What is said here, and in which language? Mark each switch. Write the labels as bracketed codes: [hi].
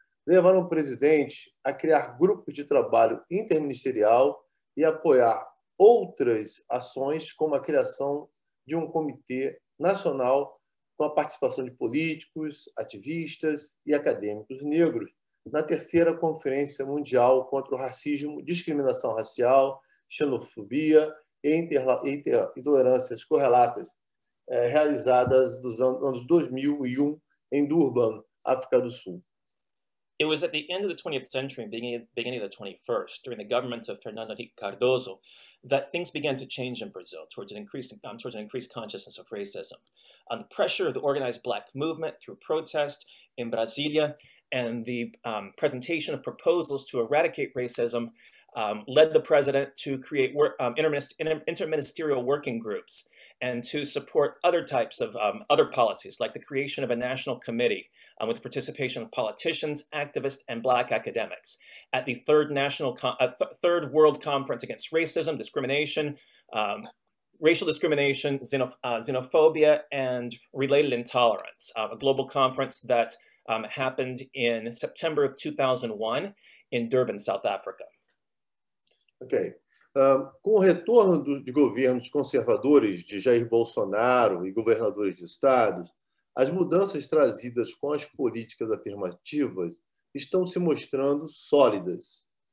[pt] levaram o presidente a criar grupos de trabalho interministerial e apoiar outras ações, como a criação de um comitê nacional com a participação de políticos, ativistas e acadêmicos negros, na terceira Conferência Mundial contra o Racismo, Discriminação Racial, Xenofobia e Intolerâncias Correlatas, realizadas nos anos 2001 em Durban, África do Sul. [en] It was at the end of the 20th century, beginning of the 21st, during the government of Fernando Henrique Cardoso, that things began to change in Brazil towards an increased consciousness of racism. On the pressure of the organized black movement through protest in Brasilia and the presentation of proposals to eradicate racism led the president to create interministerial working groups and to support other types of other policies, like the creation of a national committee with the participation of politicians, activists, and black academics. At the Third World Conference Against Racism, Discrimination, Racial Discrimination, Xenophobia, and Related Intolerance, a global conference that happened in September of 2001 in Durban, South Africa. Okay. [pt] Com o retorno de governos conservadores de Jair Bolsonaro e governadores de estados, as mudanças trazidas com as políticas afirmativas estão se mostrando sólidas.